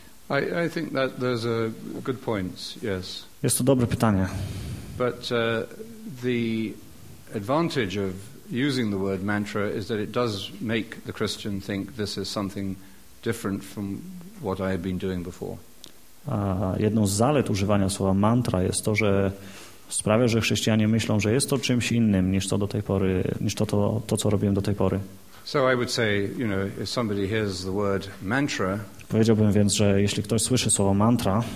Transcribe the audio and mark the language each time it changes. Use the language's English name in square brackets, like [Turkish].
[English] I think that those are good points, yes. [Polish] Jest to dobre pytanie. [English] But the advantage of using the word mantra is that it does make the Christian think this is something different from what I had been doing before. [Polish] Jedną z zalet używania słowa mantra jest to, że sprawia, że chrześcijanie myślą, że jest to czymś innym niż to do tej pory, niż to co robiłem do tej pory. [English] So I would say, you know, if somebody hears the word mantra, [Polish] powiedziałbym więc, że jeśli ktoś słyszy słowo mantra